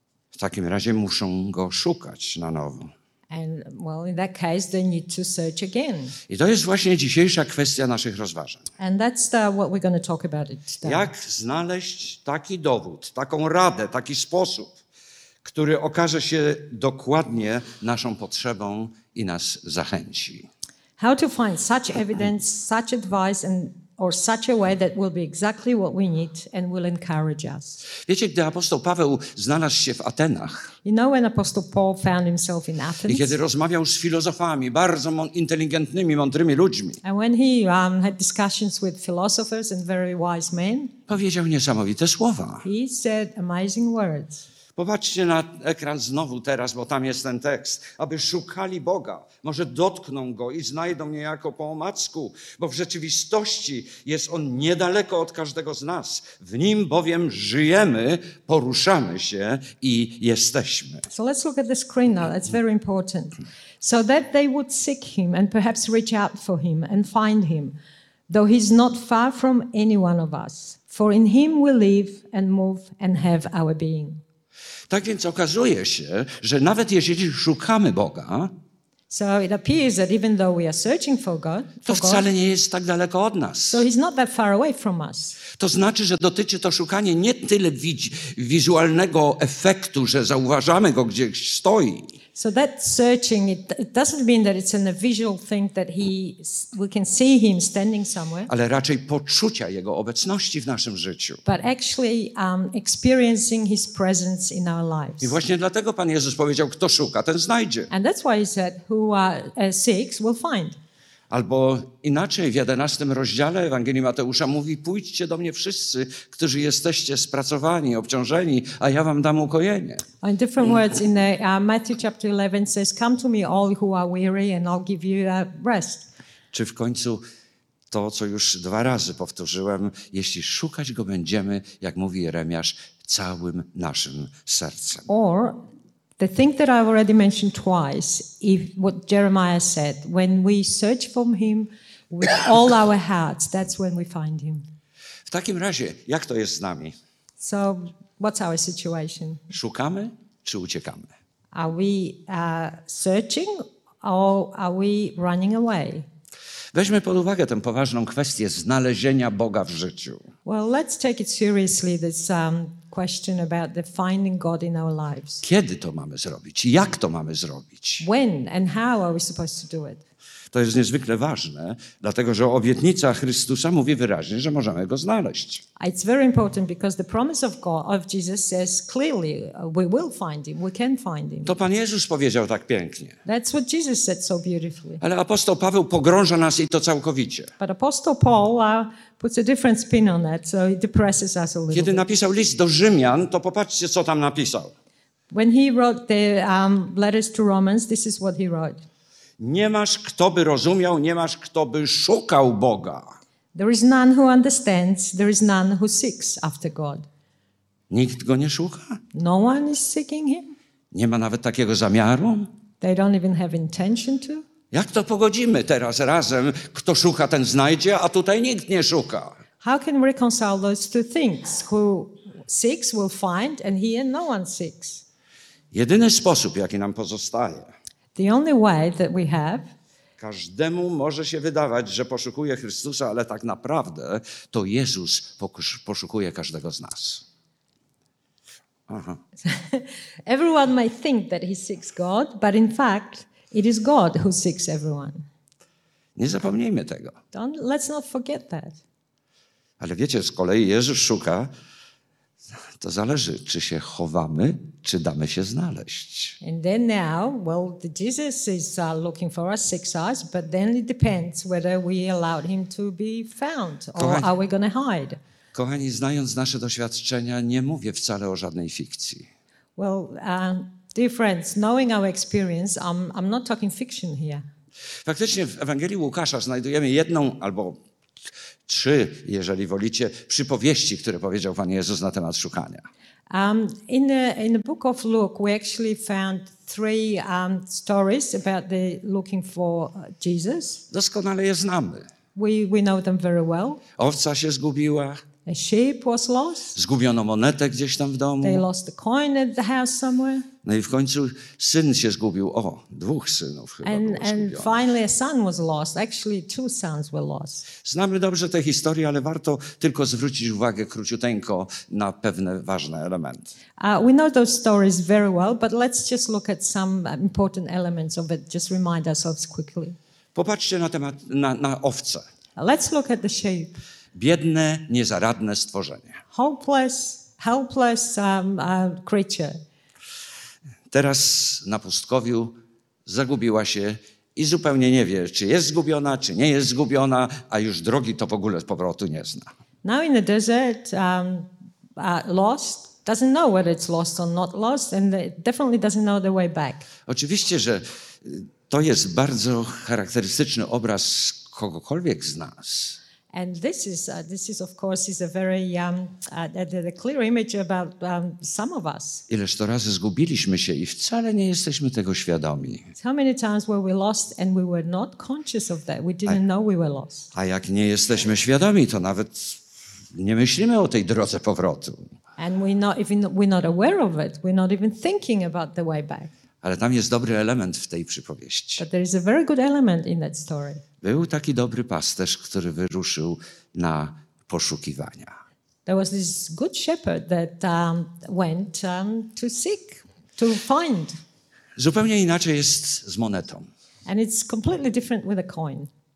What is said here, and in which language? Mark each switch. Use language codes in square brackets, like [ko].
[pl] W takim razie muszą go szukać na nowo. [en] And, well, in that case, they need to search again. [pl] I to jest właśnie dzisiejsza kwestia naszych rozważań. [en] And that's what we're going to talk about today. [pl] Jak znaleźć taki dowód, taką radę, taki sposób, który okaże się dokładnie naszą potrzebą i nas zachęci. [en] How to find such evidence, such advice, and or such a way that will be exactly what we need and will encourage us. [pl] Wiecie, gdy apostoł Paweł znalazł się w Atenach. [en] You know when apostle Paul found himself in Athens. [pl] I kiedy rozmawiał z filozofami, bardzo inteligentnymi, mądrymi ludźmi. [en] And when he had discussions with philosophers and very wise men. [pl] Powiedział niesamowite słowa. [en] He said amazing words. [pl] Popatrzcie na ekran znowu teraz, bo tam jest ten tekst. Aby szukali Boga, może dotkną Go i znajdą niejako po omacku, bo w rzeczywistości jest On niedaleko od każdego z nas. W Nim bowiem żyjemy, poruszamy się i jesteśmy. [en] So let's look at the screen now. It's very important. So that they would seek Him and perhaps reach out for Him and find Him, though He's not far from any one of us. For in Him we live and move and have our being. [pl] Tak więc okazuje się, że nawet jeżeli szukamy Boga, [en] so it appears that even though we are searching for God, [pl] to wcale nie jest tak daleko od nas. [en] So he's not that far away from us. [pl] To znaczy, że dotyczy to szukanie nie tyle wizualnego efektu, że zauważamy go gdzieś stoi. [en] So that searching, it doesn't mean that it's in a visual thing that we can see him standing somewhere. [pl] Ale raczej poczucia jego obecności w naszym życiu. [en] But actually experiencing his presence in our lives. [pl] I właśnie dlatego Pan Jezus powiedział, kto szuka, ten znajdzie. [en] And that's why he said, who seeks will find. [pl] Albo inaczej w 11 rozdziale Ewangelii Mateusza mówi, pójdźcie do mnie wszyscy, którzy jesteście spracowani, obciążeni, a ja wam dam ukojenie. [en] In different words, in the Matthew chapter 11 says, come to me all who are weary and I'll give you a rest. [pl] Czy w końcu to, co już dwa razy powtórzyłem, jeśli szukać go będziemy, jak mówi Jeremiasz, całym naszym sercem. [en] Or the thing that I've already mentioned twice, if what Jeremiah said, when we search for him with all our hearts, that's when we find him. [pl] W takim razie, jak to jest z nami? [en] So, what's our situation? [pl] Szukamy czy uciekamy? [en] Are we searching or are we running away? [pl] Weźmy pod uwagę tę poważną kwestię znalezienia Boga w życiu. [en] Well, let's take it seriously, this question about the finding God in our lives. [pl] Kiedy to mamy zrobić? Jak to mamy zrobić? [en] When and how are we supposed to do it? [pl] To jest niezwykle ważne, dlatego że obietnica Chrystusa mówi wyraźnie, że możemy go znaleźć. [en] It's very important because the promise of God of Jesus says clearly we will find him, we can find him. [pl] To Pan Jezus powiedział tak pięknie. [en] That's what Jesus said so beautifully. [pl] Ale apostoł Paweł pogrąża nas i to całkowicie. [en] But apostle Paul puts a different spin on that, so it depresses us a little. [pl] Kiedy napisał list do Rzymian, to popatrzcie, co tam napisał. [en] When he wrote the letters to Romans, this is what he wrote. [pl] Nie masz kto by rozumiał, nie masz kto by szukał Boga. [en] There is none who understands, there is none who seeks after God. [pl] Nikt go nie szuka? [en] No one is seeking him. [pl] Nie ma nawet takiego zamiaru? [en] They don't even have intention to. [pl] Jak to pogodzimy teraz razem? Kto szuka, ten znajdzie, a tutaj nikt nie szuka. [en] How can we reconcile those two things? Who seeks will find and here no one seeks. [pl] Jedyny sposób, jaki nam pozostaje. [en] The only way that we have. [pl] Każdemu może się wydawać, że poszukuje Chrystusa, ale tak naprawdę to Jezus poszukuje każdego z nas. [en] Everyone may think that he seeks God, but in fact it is God who seeks everyone. [pl] Nie zapomnijmy tego. [en] Let's not forget that. [pl] Ale wiecie, z kolei Jezus szuka To zależy, czy się chowamy, czy damy się znaleźć. [en] And then now, well, Jesus is looking for us, seeks us, but then it depends whether we allowed him to be found or are we going to hide. [pl] Kochani, znając nasze doświadczenia, nie mówię wcale o żadnej fikcji. [en] Well, dear friends, knowing our experience, I'm not talking fiction here. [pl] Faktycznie w Ewangelii Łukasza znajdujemy jedną albo trzy, jeżeli wolicie, przypowieści, które powiedział Pan Jezus na temat szukania. [en] In the book of Luke, we actually found three stories about the looking for Jesus. [pl] Doskonale je znamy. [en] We know them very well. [pl] Owca się zgubiła. [en] A sheep was lost. [pl] Zgubiono monetę gdzieś tam w domu. [en] They lost the coin at the house somewhere. [pl] No i w końcu syn się zgubił. O, dwóch synów chyba [en] and, [pl] było zgubionych. [en] And finally a son was lost. Actually two sons were lost. [pl] Znamy dobrze te historie, ale warto tylko zwrócić uwagę króciuteńko na pewne ważne elementy. [en] We know those stories very well, but let's just look at some important elements of it. Just remind ourselves quickly. [pl] Popatrzcie na temat na owce. [en] Let's look at the sheep. [pl] Biedne, niezaradne stworzenie. [en] Helpless creature. [pl] Teraz na pustkowiu zagubiła się i zupełnie nie wie, czy jest zgubiona, czy nie jest zgubiona, a już drogi to w ogóle powrotu nie zna. [en] Now in the desert, lost, doesn't know whether it's lost or not lost, and definitely doesn't know the way back. [pl] Oczywiście, że to jest bardzo charakterystyczny obraz kogokolwiek z nas. [en] And this is of course is a very a clear image about some of us. [pl] Ileż to razy zgubiliśmy się i wcale nie jesteśmy tego świadomi. [en] How many times were we lost and we were not conscious of that? We didn't know we were lost. [pl] A jak nie jesteśmy świadomi, to nawet nie myślimy o tej drodze powrotu. [en] And we're not aware of it. We're not even thinking about the way back. [pl] Ale tam jest dobry element w tej przypowieści. [en] But there is a very good element in that story. [pl] Był taki dobry pasterz, który wyruszył na poszukiwania. [en] There was this good shepherd that went to seek, to find. [pl] Zupełnie inaczej jest z monetą. [en] And it's completely different with a coin.